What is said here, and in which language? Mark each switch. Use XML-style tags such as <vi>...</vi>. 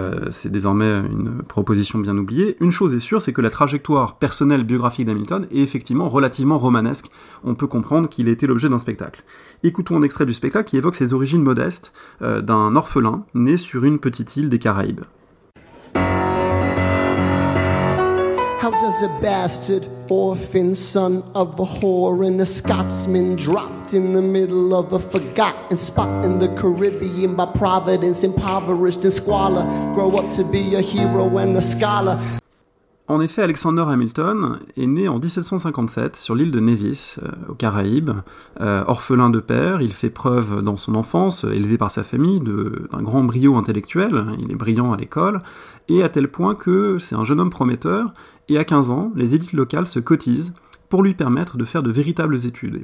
<fr>C'est désormais une proposition bien oubliée. Une chose est sûre, c'est que la trajectoire personnelle biographique d'Hamilton est effectivement relativement romanesque. On peut comprendre qu'il était l'objet d'un spectacle. Écoutons un extrait du spectacle qui évoque ses origines modestes d'un orphelin né sur une petite île des Caraïbes.</fr> <en>How does a bastard orphan son of a whore and a Scotsman dropped in the middle of a forgotten spot in the Caribbean by Providence, impoverished and squalor, grow up to be a hero and a scholar?</en> <fr>En effet, Alexander Hamilton est né en 1757 sur l'île de Nevis, aux Caraïbes. Orphelin de père, il fait preuve dans son enfance, élevé par sa famille, d'un grand brio intellectuel. Il est brillant à l'école, et à tel point que c'est un jeune homme prometteur, et à 15 ans, les élites locales se cotisent pour lui permettre de faire de véritables études.</fr>